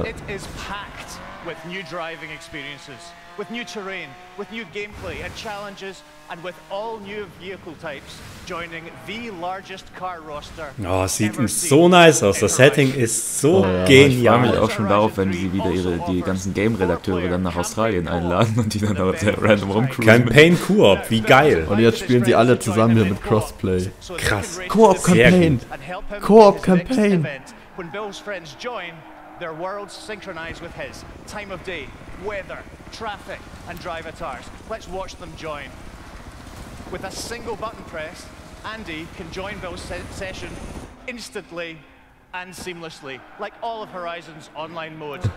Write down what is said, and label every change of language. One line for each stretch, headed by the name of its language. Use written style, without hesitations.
English: It is packed with new driving experiences, with new terrain, with new gameplay and challenges, and with all new vehicle types joining the largest car roster.
German: Oh, sieht so nice aus. Das Setting ist so genial. Ich freue mich auch schon darauf, wenn sie wieder die ganzen Game-Redakteure dann nach Australien einladen und die dann auch sehr random rumcruisen. Campaign-Koop, wie geil. Und jetzt spielen sie alle zusammen hier mit Crossplay. Krass. Koop-Campaign. Koop-Campaign.
English: When Bill's friends join, their worlds synchronize with his. Time of day, weather, traffic, and driver tires. Let's watch them join. With a single button press, Andy can join Bill's session instantly and seamlessly, like all of Horizon's online mode.